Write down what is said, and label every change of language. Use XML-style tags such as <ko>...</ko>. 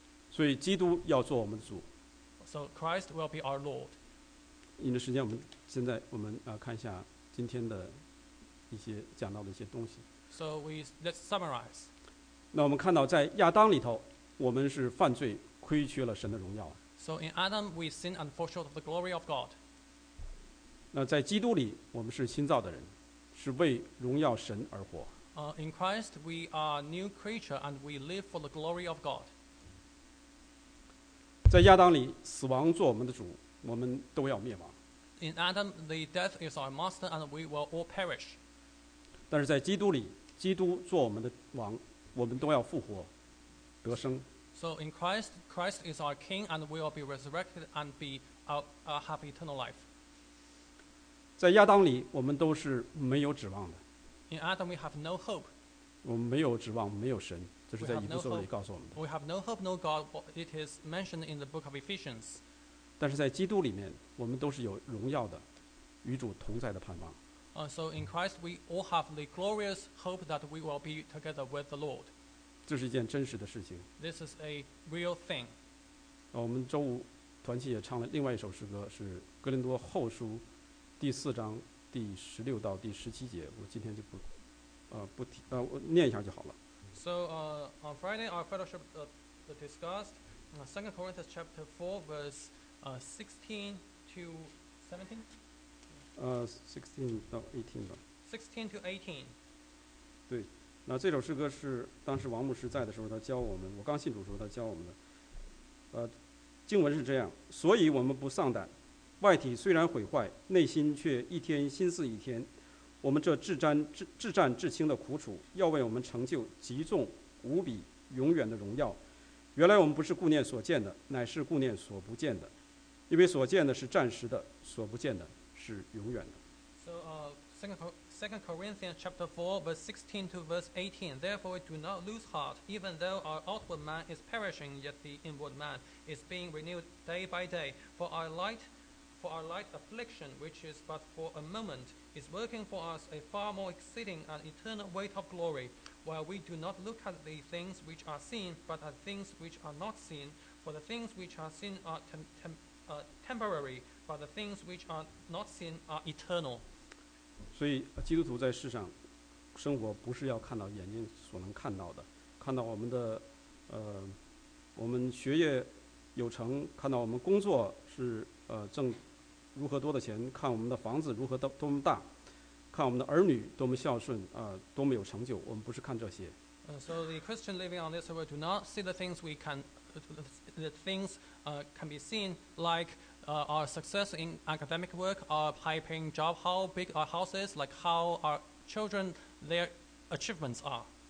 <zh>所以基督要做我们的主。</zh> <en>So Christ will be our Lord.</en> <zh>因着时间，我们现在我们看一下今天的。一些讲到的一些东西。</zh> <en>So let's summarize.</en> <zh>那我们看到在亚当里头，我们是犯罪，亏缺了神的荣耀。</zh> <en>So in Adam we sin and fall short of the glory of God.</en> <zh>那在基督里，我们是新造的人，是为荣耀神而活。</zh> <en>In Christ we are new creature and we live for the glory of God.</en> <zh>在亚当里，死亡做我们的主，我们都要灭亡。</zh> <en>In Adam the death is our master and we will all perish.</en> <zh>但是在基督里，基督做我们的王，我们都要复活，得生。</zh> <en>So in Christ, Christ is our King, and we will be resurrected and be have eternal life.</en> <zh>在亚当里，我们都是没有指望的。</zh> <en>In Adam, we have no hope.</en> <zh>我们没有指望，没有神，这是在以弗所里告诉我们的。</zh> <en>We have no hope, no God. It is mentioned in the book of Ephesians.</en> <zh>但是在基督里面，我们都是有荣耀的，与主同在的盼望。</zh> <en>So in Christ, we all have the glorious hope that we will be together with the Lord.</en> <zh>这是一件真实的事情。</zh> <en>This is a real thing.</en> <zh>我们周五团契也唱了另外一首诗歌，是《哥林多后书》第四章第十六到第十七节。我今天就不念一下就好了。</zh> <en>So on Friday, our fellowship discussed Second Corinthians chapter 4, verse 16 to 17. 16 to 18.</en> <zh>对，那这首诗歌是当时王牧师在的时候，他教我们。我刚信主的时候，他教我们的。经文是这样：所以我们不丧胆，外体虽然毁坏，内心却一天心思一天。我们这至战至清的苦楚，要为我们成就极重无比永远的荣耀。原来我们不是顾念所见的，乃是顾念所不见的，因为所见的是暂时的，所不见的是永远的。</zh> <en>So, Second Corinthians chapter 4 verse 16 to verse 18. Therefore, do not lose heart, even though our outward man is perishing, yet the inward man is being renewed day by day. For our light affliction, which is but for a moment, is working for us a far more exceeding and eternal weight of glory. While we do not look at the things which are seen, but at things which are not seen. For the things which are seen are temporary, but the things which are not seen are eternal.</en> <zh>所以基督徒在世上生活不是要看到眼睛所能看到的，看到我们的我们学业有成，看到我们工作是挣如何多的钱，看我们的房子如何多么大，看我们的儿女多么孝顺，多么有成就，我们不是看这些。</zh> <en>So the Christian living on this earth do not see the things we can, the things can be seen, like our success in academic work, our high-paying job, how big our house is, like how our children, their achievements are.</en>